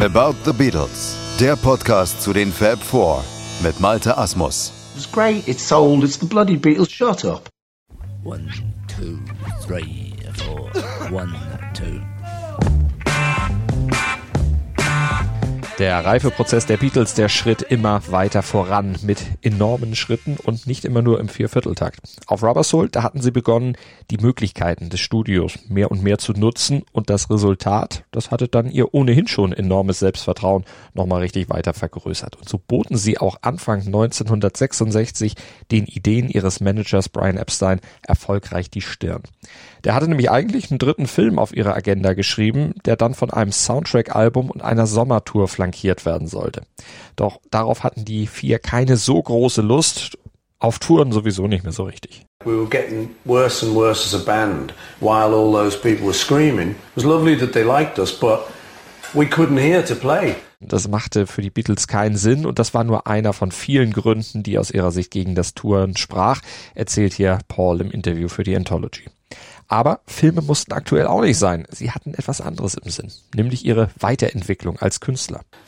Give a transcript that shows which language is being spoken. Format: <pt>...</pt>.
<de>About the Beatles, der Podcast zu den Fab Four mit Malte Asmus.</de> <en>It's great, it's sold, it's the bloody Beatles, shut up. One, two, three, four, one, two.</en> <de>Der Reifeprozess der Beatles, der schritt immer weiter voran mit enormen Schritten und nicht immer nur im Viervierteltakt. Auf Rubber Soul, da hatten sie begonnen, die Möglichkeiten des Studios mehr und mehr zu nutzen und das Resultat, das hatte dann ihr ohnehin schon enormes Selbstvertrauen nochmal richtig weiter vergrößert. Und so boten sie auch Anfang 1966 den Ideen ihres Managers Brian Epstein erfolgreich die Stirn. Der hatte nämlich eigentlich einen dritten Film auf ihrer Agenda geschrieben, der dann von einem Soundtrack-Album und einer Sommertour flankiert werden sollte. Doch darauf hatten die vier keine so große Lust, auf Touren sowieso nicht mehr so richtig.</de> <en>We were getting worse and worse as a band, while all those people were screaming. It was lovely that they liked us, but we couldn't hear to play.</en> <de>Das machte für die Beatles keinen Sinn und das war nur einer von vielen Gründen, die aus ihrer Sicht gegen das Touren sprach, erzählt hier Paul im Interview für die Anthology. Aber Filme mussten aktuell auch nicht sein. Sie hatten etwas anderes im Sinn, nämlich ihre Weiterentwicklung als Künstler.</de>